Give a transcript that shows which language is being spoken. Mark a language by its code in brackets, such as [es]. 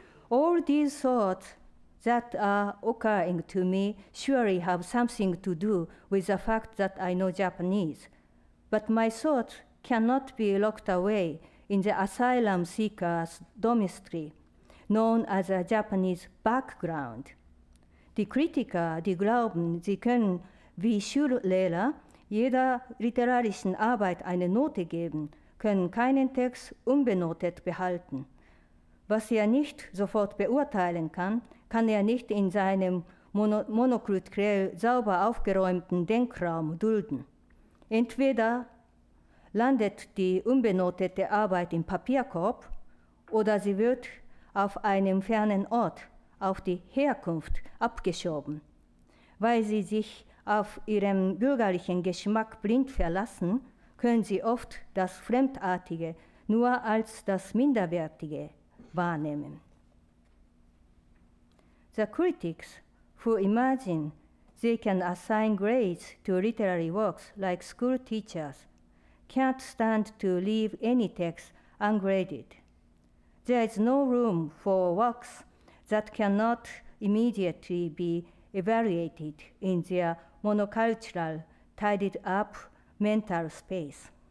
[en] All these thoughts that are occurring to me surely have something to do with the fact that I know Japanese. But my thoughts cannot be locked away in the asylum seeker's dormitory. known as a Japanese background. [de] Die Kritiker, die glauben, sie können wie Schullehrer jeder literarischen Arbeit eine Note geben, können keinen Text unbenotet behalten. Was er nicht sofort beurteilen kann, kann er nicht in seinem monokulturell sauber aufgeräumten Denkraum dulden. Entweder landet die unbenotete Arbeit im Papierkorb oder sie wird auf einem fernen Ort, auf die Herkunft, abgeschoben. Weil sie sich auf ihrem bürgerlichen Geschmack blind verlassen, können sie oft das Fremdartige nur als das Minderwertige wahrnehmen. [en] The critics who imagine they can assign grades to literary works like school teachers can't stand to leave any text ungraded. There is no room for works that cannot immediately be evaluated in their monocultural, tidied up mental space.